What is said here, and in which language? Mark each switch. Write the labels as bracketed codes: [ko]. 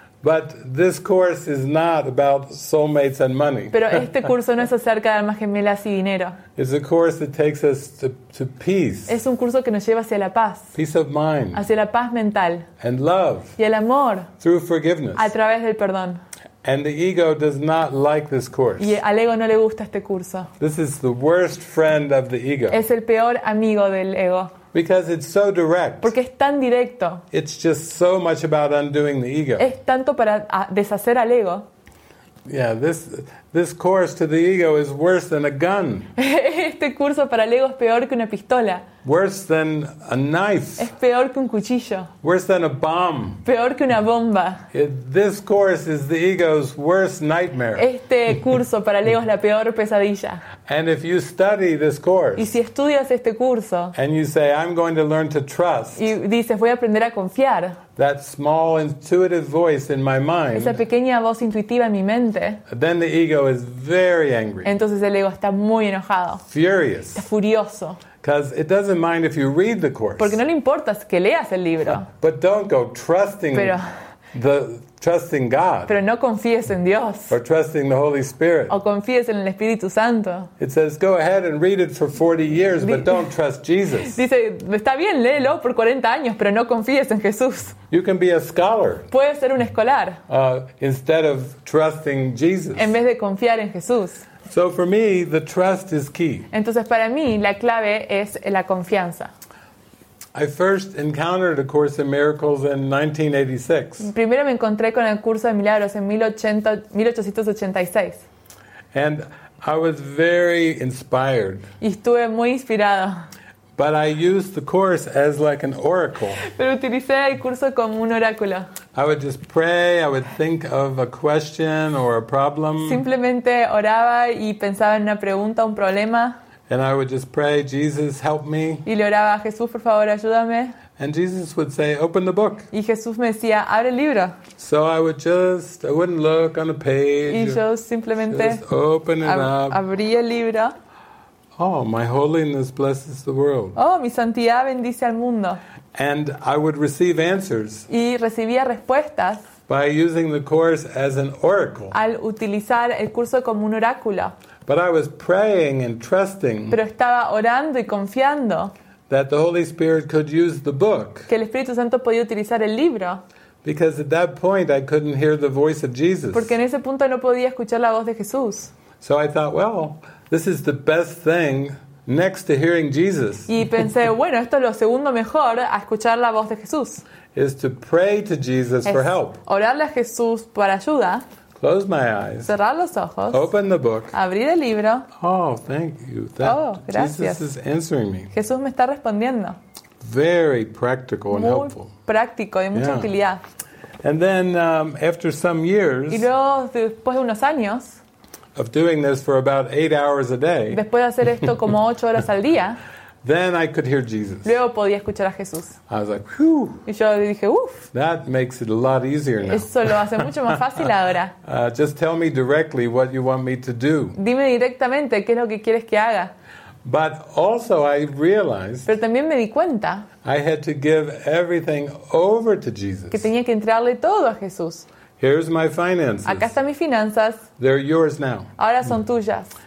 [en] But this course is not about soulmates and money. [es] Pero este curso no es acerca de almas gemelas y dinero. [en] It's a course that takes us to peace. [es] Es un curso que nos lleva hacia la paz. [en] Peace of mind. [es] Hacia la paz mental. [en] And love. [es] Y el amor. [en] Through forgiveness. [es] A través del perdón. [en] And the ego does not like this course. [es] Y al ego no le gusta este curso. [en] This is the worst friend of the ego. [es] Es el peor amigo del ego. [en] Because it's so direct. [es] Porque es tan directo. [en] It's just so much about undoing the ego. [es] Es tanto para deshacer al ego. [en] Yeah, this course to the ego is worse than a gun. [es] Este curso para el ego es peor que una pistola. [en] Worse than a knife. [es] Es peor que un cuchillo. [en] Worse than a bomb. [es] Peor que una bomba. [en] This course is the ego's worst nightmare. [es] Este curso para el ego es la peor pesadilla. [en] And if you study this course, [es] y si estudias este curso, [en] and you say, I'm going to learn to trust, [es] y dices, voy a aprender a confiar, [en] that small intuitive voice in my mind, [es] esa pequeña voz intuitiva en mi mente, [en] then the ego is very angry. [es] Entonces el ego está muy enojado. [en] Furious. [es] Está furioso. [en] Because it doesn't mind if you read the course. [es] Porque no le importa que leas el libro. [en] But don't go trusting trusting God. [es] Pero no confíes en Dios. [en] Or trusting the Holy Spirit. [es] O confíes en el Espíritu Santo. [en] It says, go ahead and read it for 40 years, but don't trust Jesus. [es] Dice, está bien, léelo por 40 años, pero no confíes en Jesús. [en] You can be a scholar. [es] Puedes ser un escolar. [en] Instead of trusting Jesus. [es] En vez de confiar en Jesús. [en] So for me, the trust is key. [es] Entonces para mí la clave es la confianza. [en] I first encountered a Course in Miracles in 1986. [es] Primero me encontré con el curso de milagros en 1886. [en] And I was very inspired. [es] Y estuve muy inspirado. [en] But I used the course as like an oracle. [es] Pero utilicé el curso como un oráculo. [en] I would just pray, I would think of a question or a problem. [es] Simplemente oraba y pensaba en una pregunta, un problema. [en] And I would just pray, Jesus, help me. [es] Y le oraba, Jesús, por favor, ayúdame. [en] And Jesus would say, open the book. [es] Y Jesús me decía, abre el libro. [en] So I wouldn't look on a page. [es] Y yo simplemente [en] just open it up. [es] Abrí el libro. [en] Oh, my holiness blesses the world. [es] Oh, mi santidad bendice al mundo. [en] And I would receive answers. [es] Y recibía respuestas. [en] By using the course as an oracle. [es] Al utilizar el curso como un oráculo. [en] But I was praying and trusting. [es] Pero estaba orando y confiando. [en] That the Holy Spirit could use the book. [es] Que el Espíritu Santo podía utilizar el libro. [en] Because at that point I couldn't hear the voice of Jesus. [es] Porque en ese punto no podía escuchar la voz de Jesús. [en] So I thought, well, this is the best thing next to hearing Jesus. [es] Y pensé, bueno, esto es lo segundo mejor a escuchar la voz de Jesús. [en] Is to pray to Jesus for help. [es] Orarle a Jesús para ayuda. [en] Close my eyes. [es] Cerrar los ojos. [en] Open the book. [es] Abrir el libro. [en] Oh, thank you. [es] Gracias. [en] Jesus is answering me. [es] Jesús me está respondiendo. [en] Very practical and helpful. [es] Muy práctico y mucha utilidad. [en] And then after some years. [es] Y luego después de unos años. [en] Of doing this for about 8 hours a day. [es] Después de hacer esto como 8 horas al día. [en] Then I could hear Jesus. [es] Luego podía escuchar a Jesús. [en] I was like, whew. [es] Y yo dije, uff. [en] That makes it a lot easier now. [es] Eso lo hace mucho más fácil ahora. [en] Just tell me directly what you want me to do. [es] Dime directamente qué es lo que quieres que haga. [en] But also I realized. [es] Pero también me di cuenta. [en] I had to give everything over to Jesus. [es] Que tenía que entregarle todo a Jesús. [en] Here's my finances. [es] Acá están mis finanzas. [en] They're yours now. [es] Ahora son tuyas.